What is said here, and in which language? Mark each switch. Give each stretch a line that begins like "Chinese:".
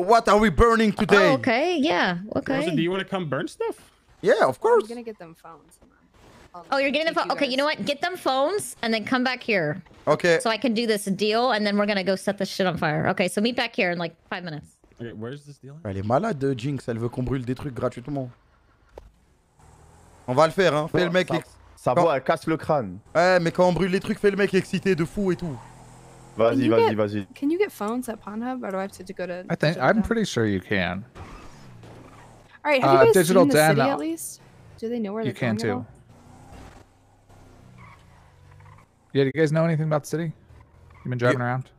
English: What are we burning today? Oh, okay, yeah. Okay. Rosa, do you want to come burn stuff? Yeah, of course. I'm going to get them phones. You're getting the phone. Okay, you know what? Get them phones and then come back here. Okay. So I can do this deal and then we're going to go set this shit on fire. Okay, so meet back here in like 5 minutes. Okay, where's this deal?
French: Elle est malade, Jinx. Elle veut qu'on brûle des trucs gratuitement. On va le faire, hein. Fais le mec. Ça va, elle casse le crâne. Ouais, mais quand on brûle les trucs, fais le mec excité de fou et tout. Vas-y.
English: Can you get phones at Pornhub, or do I have to go to... I think, I'm pretty sure you can. Alright, have you guys seen the city at least? Do they know where they're going at all? Yeah, do you guys know anything about the city? You've been driving around?